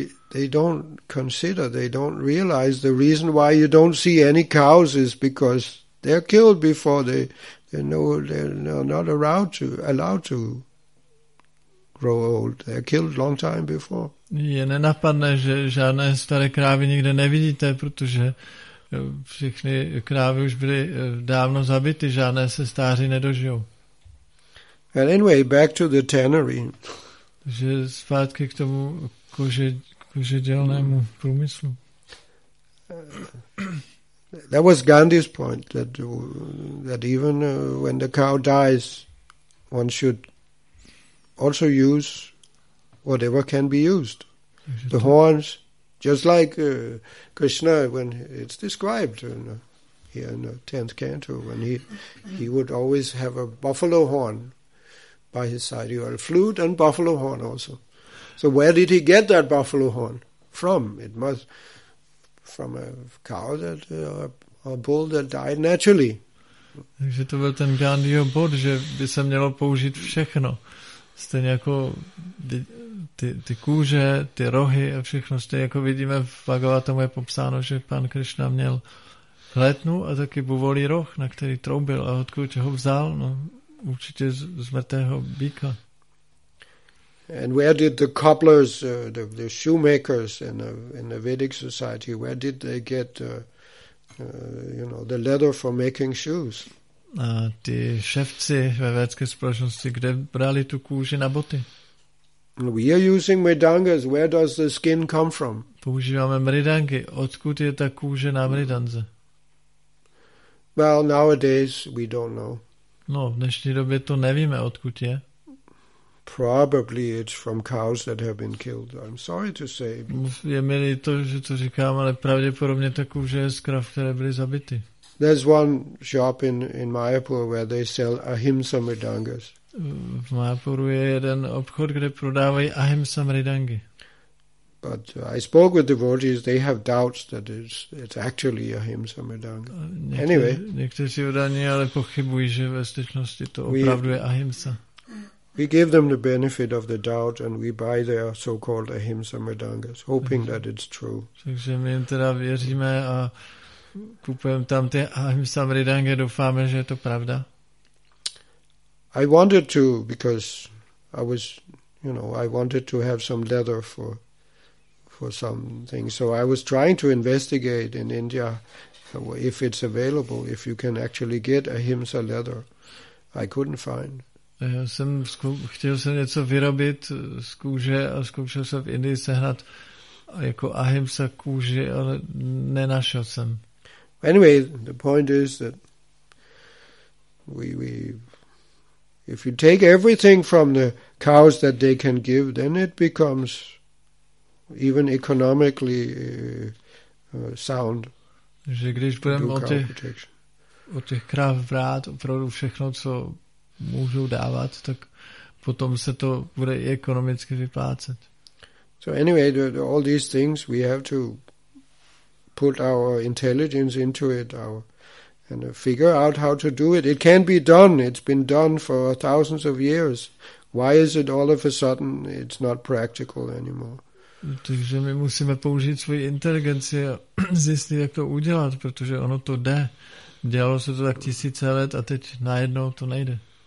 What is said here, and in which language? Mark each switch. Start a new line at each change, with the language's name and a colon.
English: They don't consider, they don't realize the reason why you don't see any cows is because they're killed before they're not allowed to grow old. They're killed long time before.
Czech: Je nenapadné, že žádné staré krávy nikde nevidíte, protože všechny krávy už byly dávno zabity, žádné se stáří nedožijou.
English: And anyway, back to the tannery.
Czech: Takže zpátky k tomu kožedělnému průmyslu.
English: That was Gandhi's point, that even when the cow dies, one should also use whatever can be used. The horns, just like Krishna, when it's described here in the 10th canto, when he would always have a buffalo horn by his side. He had a flute and buffalo horn also. So where did he get that buffalo horn from? It must from a cow that a bull that died naturally.
Czech: Takže to byl ten Gandhiho bod, že by se mělo použít všechno. Stejně jako ty kůže, ty rohy a všechno. Stejně jako vidíme v Bhagavatamu je popsáno, že pan Krishna měl létnu a taky buvolí roh, na který troubil. A odkud ho vzal? No, určitě z mrtvého býka.
English: And where did the cobblers, the shoemakers in the Vedic society, where did they get you know, the leather for making shoes?
Czech: A ty šéfci ve vědecké společnosti, kde brali tu kůži na boty?
English: We are using mridangas. Where does the skin come from?
Czech: Používáme mridangy. Odkud je ta kůže na mridance?
English: Well, nowadays we don't know.
Czech: No, v dnešní době to nevíme, odkud je.
English: Probably it's from cows that have been killed. I'm sorry to say.
Czech: Je milý to, že to říkám, ale pravděpodobně ta kůže je z krav, které byly zabity.
English: There's one shop in Mayapur where they sell ahimsa mridangas.
Czech: V Mayapuru je jeden obchod, kde prodávají ahimsa mridangy.
English: But I spoke with the devotees, they have doubts that it's actually a ahimsa mridanga. Anyway.
Czech: Někteří udání ale pochybují, že ve skutečnosti to opravdu je ahimsa.
English: We give them the benefit of the doubt and we buy their so-called ahimsa mridangas, hoping that it's true.
Czech: Takže my jim teda věříme a kupujeme tam ty ahimsa mridangy, doufáme, že je to pravda.
English: I wanted to, because I was, you know, I wanted to have some leather for something. So I was trying to investigate in India if it's available, if you can actually get ahimsa leather. I couldn't find.
Czech: Já jsem chtěl jsem něco vyrobit z kůže a zkoušel jsem v Indii sehnat jako ahimsa kůži, ale nenašel jsem.
English: Anyway, the point is that we if you take everything from the cows that they can give, then it becomes even economically sound.
Czech: Že když budeme od těch krav brát opravdu všechno, co můžou dávat, tak potom se to bude i ekonomicky vyplácet.
English: So anyway, all these things we have to put our intelligence into it, our and figure out how to do it. It can be done. It's been done for thousands of years. Why is it all of a sudden it's not practical anymore?
Czech: Takže my musíme použít svoji inteligenci a zjistit, jak to udělat, protože ono to jde. Dělalo se to tak tisíce let a teď najednou to nejde.